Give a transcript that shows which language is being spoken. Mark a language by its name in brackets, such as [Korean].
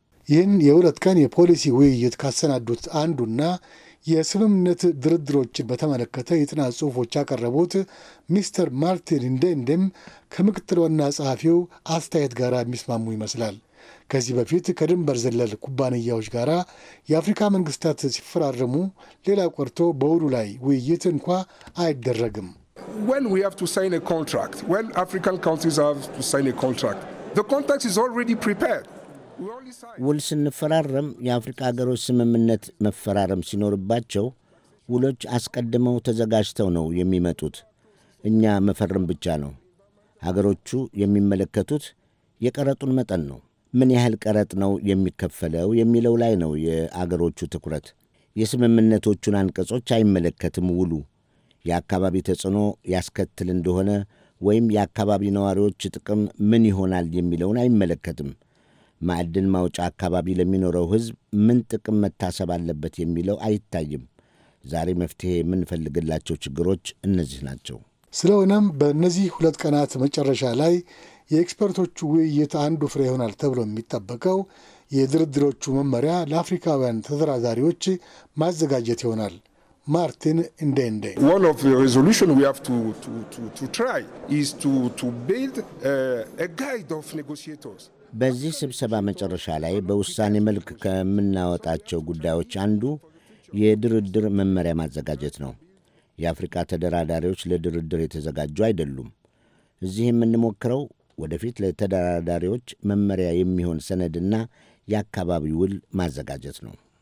[Amharic] ይህን የሁለት ቀን የፖሊሲ ውይይት ካሰናዱት አንዱና የስምምነት ድርድሮችን በተመለከተ የጥናት ጽሑፎች ያቀረቡት ሚስተር ማርቲን እንደንደም ከምክትል ዋና ጸሐፊው አስተያየት ጋር የሚስማሙ ይመስላል። ከዚህ በፊት ከድንበር ዘለል ኩባንያዎች ጋር የአፍሪካ መንግስታት ሲፈራረሙ ሌላ ቆርቶ በውሉ ላይ ውይይት እንኳ አይደረግም። [English] When we have to sign a contract, when African countries have to sign a contract, the contract is already prepared. [Amharic] ውል ስንፈራረም የአፍሪካ አገሮች ስምምነት መፈራረም ሲኖርባቸው ውሎች አስቀድመው ተዘጋጅተው ነው የሚመጡት። እኛ መፈረም ብቻ ነው። አገሮቹ የሚመለከቱት የቀረጡን መጠን ነው። ምን ያህል ቀረጥ ነው የሚከፈለው የሚለው ላይ ነው የአገሮቹ ትኩረት። የስምምነቶቹን አንቀጾች አይመለከትም ውሉ። የአካባቢ ተጽዕኖ ያስከትል እንደሆነ ወይም የአካባቢ ነዋሪዎች ጥቅም ምን ይሆናል የሚለውን አይመለከትም። ማዕድን ማውጫ አካባቢ ለሚኖረው ሕዝብ ምን ጥቅም መታሰብ አለበት የሚለው አይታይም። ዛሬ መፍትሄ የምንፈልግላቸው ችግሮች እነዚህ ናቸው። ስለሆነም በእነዚህ ሁለት ቀናት መጨረሻ ላይ የኤክስፐርቶቹ ውይይት አንዱ ፍሬ ይሆናል ተብሎ የሚጠበቀው የድርድሮቹ መመሪያ ለአፍሪካውያን ተደራዳሪዎች ማዘጋጀት ይሆናል። ማርቲን እንደንደ [English] One of the resolution we have to try is to build a guide of negotiators. [Amharic] በዚህ ስብሰባ መጨረሻ ላይ በውሳኔ መልክ ከምናወጣቸው ጉዳዮች አንዱ የድርድር መመሪያ ማዘጋጀት ነው። የአፍሪካ ተደራዳሪዎች ለድርድር የተዘጋጁ አይደሉም። እዚህ የምንሞክረው ወደፊት ለተደራዳሪዎች መመሪያ የሚሆን ሰነድና የአካባቢው ውል ማዘጋጀት ነው።